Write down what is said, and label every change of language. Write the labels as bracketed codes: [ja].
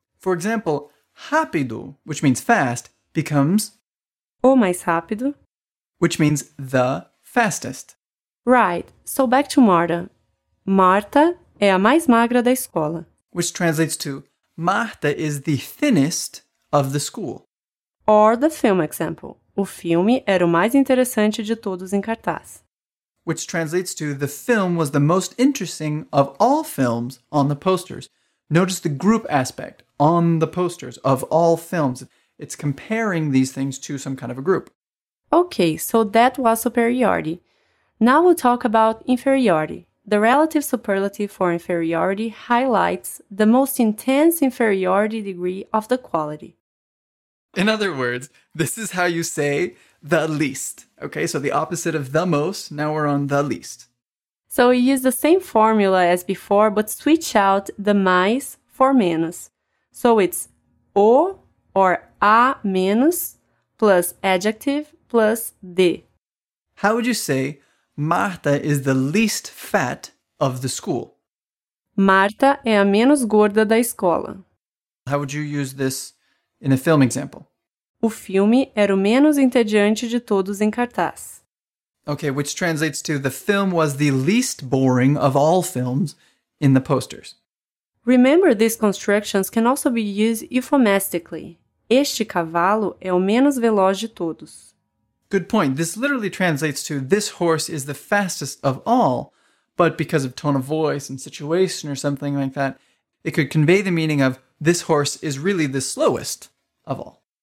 [en] For example, rápido, which means fast, becomes [pt] o mais rápido, [en] which means the fastest. Right, so back to Marta. [pt] Marta é a mais magra da escola. [en] Which translates to Marta is the thinnest of the school. Or the film example. [pt] O filme era o mais interessante de todos em cartaz. [en] Which translates to the film was the most interesting of all films on the posters. Notice the group aspect on the posters of all films. It's comparing these things to some kind of a group. Okay, so that was superiority. Now we'll talk about inferiority. The relative superlative for inferiority highlights the most intense inferiority degree of the quality. In other words, this is how you say the least. Okay, so the opposite of the most, now we're on the least. So we use the same formula as before, but switch out the mais for menos. So it's o or a menos plus adjective plus de. How would you say Marta is the least fat of the school? [pt] Marta é a menos gorda da escola. [en] How would you use this in a film example? [pt] O filme era o menos entediante de todos em cartaz. [en] Okay, which translates to the film was the least boring of all films in the posters. Remember, these constructions can also be used euphemistically. [pt] Este cavalo é o menos veloz de todos. [en] Good point. This literally translates to this horse is the fastest of all, but because of tone of voice and situation or something like that, it could convey the meaning of this horse is really the slowest of all.